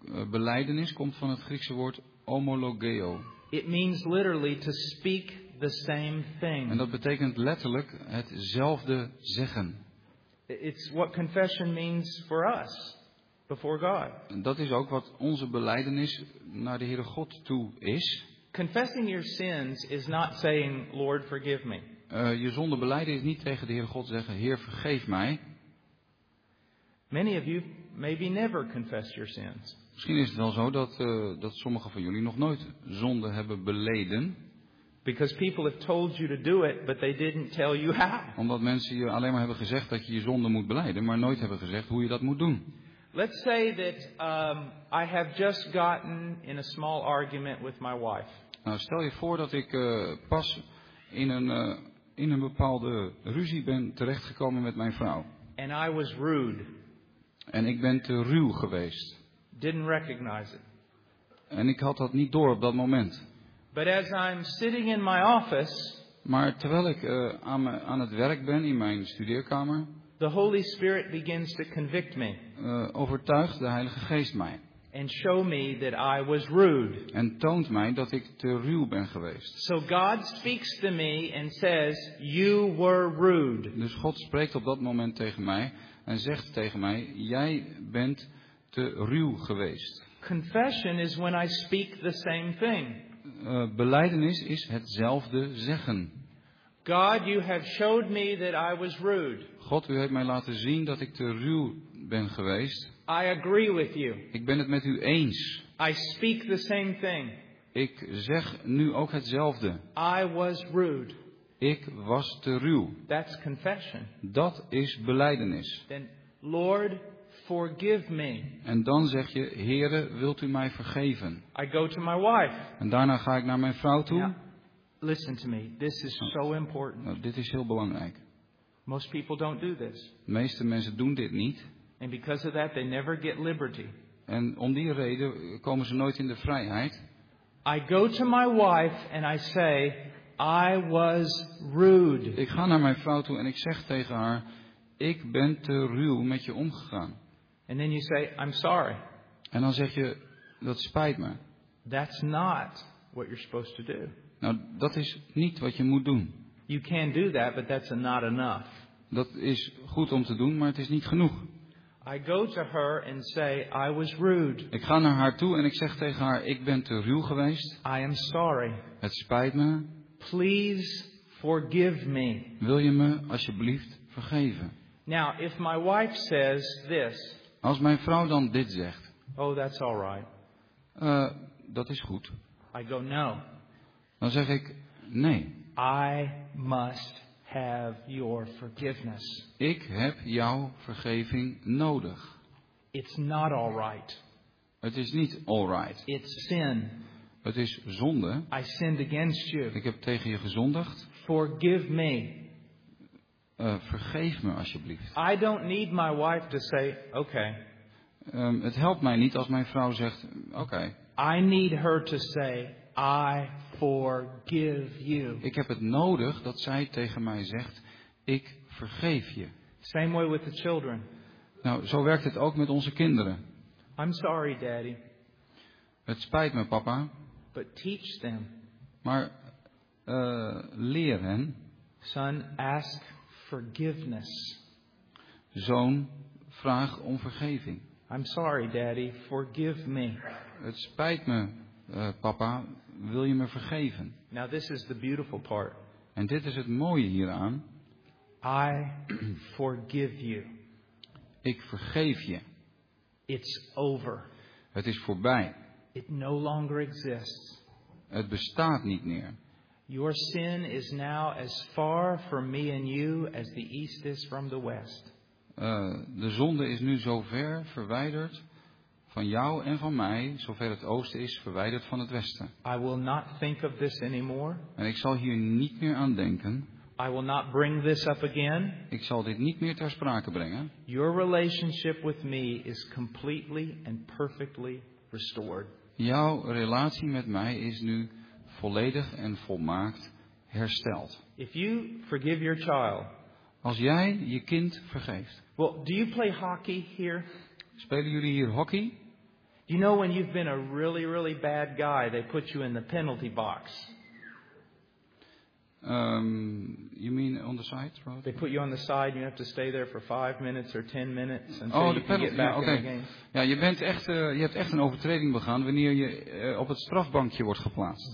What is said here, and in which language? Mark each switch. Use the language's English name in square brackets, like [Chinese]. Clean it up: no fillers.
[Dutch] Belijdenis komt van het Griekse woord homologeo. [English] It means literally to speak the same thing. [Dutch] En dat betekent letterlijk hetzelfde zeggen. [English] It's what confession means for us before God. [Dutch] En dat is ook wat onze belijdenis naar de Heere God toe is. [English] Confessing your sins is not saying, Lord, forgive me. [Dutch] Je zonde belijden is niet tegen de Heere God zeggen, Heer, vergeef mij. [English] Many of you maybe never confessed your sins. [Dutch] Misschien is het wel zo dat sommigen van jullie nog nooit zonde hebben beleden. [English] Because people have told you to do it, but they didn't tell you how. [Dutch] Omdat mensen je alleen maar hebben gezegd dat je je zonde moet beleden, maar nooit hebben gezegd hoe je dat moet doen. [English] Let's say that I have just gotten in a small argument with my wife. [Dutch] Nou, stel je voor dat ik pas in een bepaalde ruzie ben terechtgekomen met mijn vrouw. [English] And I was rude. [Dutch] En ik ben te ruw geweest. [English] Didn't recognize it. [Dutch] En ik had dat niet door op dat moment. [English] But as I'm sitting in my office, [Dutch] maar terwijl ik aan het werk ben in mijn studeerkamer, [English] the Holy Spirit begins to convict me. [Dutch] Overtuigt de Heilige Geest mij. [English] And show me that I was rude. [Dutch] En toont mij dat ik te ruw ben geweest. [English] So God speaks to me and says, "You were rude." [Dutch] Dus God spreekt op dat moment tegen mij en zegt tegen mij, jij bent te ruw geweest. [English] Confession is when I speak the same thing. [Dutch] Belijdenis is hetzelfde zeggen. [English] God, you have showed me that I was rude. [Dutch] God, u heeft mij laten zien dat ik te ruw ben geweest. [English] I agree with you. [Dutch] Ik ben het met u eens. [English] I speak the same thing. [Dutch] Ik zeg nu ook hetzelfde. [English] I was rude. [Dutch] Ik was te ruw. [English] That's confession. [Dutch] Dat is belijdenis. [English] Then, Lord, forgive me. [Dutch] En dan zeg je, Heere, wilt u mij vergeven? [English] I go to my wife. [Dutch] En daarna ga ik naar mijn vrouw toe. [English] Now, listen to me. This is so important. [Dutch] Nou, dit is heel belangrijk. [English] Most people don't do this. [Dutch] De meeste mensen doen dit niet. [English] And because of that, they never get liberty. [Dutch] En om die reden komen ze nooit in de vrijheid. [English] I go to my wife and I say, I was rude. [Dutch] Ik ga naar mijn vrouw toe en ik zeg tegen haar, ik ben te ruw met je omgegaan. [English] And then you say, I'm sorry. [Dutch] En dan zeg je, dat spijt me. [English] That's not what you're supposed to do. [Dutch] Nou, dat is niet wat je moet doen. [English] You can do that, but that's not enough. [Dutch] Dat is goed om te doen, maar het is niet genoeg. [English] I go to her and say, I was rude. [Dutch] Ik ga naar haar toe en ik zeg tegen haar, ik ben te ruw geweest. [English] I am sorry. [Dutch] Het spijt me. [English] Please forgive me. [Dutch] Wil je me alsjeblieft vergeven? [English] Now, if my wife says this, [Dutch] als mijn vrouw dan dit zegt. [English] Oh, that's all right. [Dutch] Dat is goed. [English] I go, no. [Dutch] Dan zeg ik, nee. [English] I must have your forgiveness. [Dutch] Ik heb jouw vergeving nodig. [English] It's not all right. [Dutch] Het is niet all right. [English] It's sin. [Dutch] Het is zonde. [English] I sinned against you. [Dutch] Ik heb tegen je gezondigd. [English] Forgive me. [Dutch] Vergeef me alsjeblieft. [English] I don't need my wife to say, okay. [Dutch] Het helpt mij niet als mijn vrouw zegt, okay. [English] I need her to say, I forgive you. [Dutch] Ik heb het nodig dat zij tegen mij zegt, ik vergeef je. [English] Same way with the children. [Dutch] Nou, zo werkt het ook met onze kinderen. [English] I'm sorry, daddy. [Dutch] Het spijt me, papa. [English] But teach them. [Dutch] Maar leer hen. [English] Son, ask forgiveness. [Dutch] Zoon, vraag om vergeving. [English] I'm sorry, daddy. Forgive me. [Dutch] Het spijt me, papa. Wil je me vergeven? [English] Now this is the beautiful part. [Dutch] En dit is het mooie hieraan. [English] I forgive you. [Dutch] Ik vergeef je. [English] It's over. [Dutch] Het is voorbij. [English] It no longer exists. [Dutch] Het bestaat niet meer. [English] Your sin is now as far from me and you as the east is from the west. [Dutch] De zonde is nu zo ver verwijderd van jou en van mij, zover het oosten is, verwijderd van het westen. [English] I will not think of this anymore. [Dutch] En ik zal hier niet meer aan denken. [English] I will not bring this up again. [Dutch] Ik zal dit niet meer ter sprake brengen. [English] Your relationship with me is completely and perfectly restored. [Dutch] Jouw relatie met mij is nu volledig en volmaakt hersteld. [English] If you forgive your child. [Dutch] Als jij je kind vergeeft. [English] Well, do you play hockey here? [Dutch] Spelen jullie hier hockey? [English] You know when you've been a really, really bad guy, they put you in the penalty box. You mean on the side, right? They put you on the side and you have to stay there for 5 minutes or 10 minutes until you can get back in the game. [Dutch] Ja, je bent echt, je hebt echt een overtreding begaan wanneer je op het strafbankje wordt geplaatst.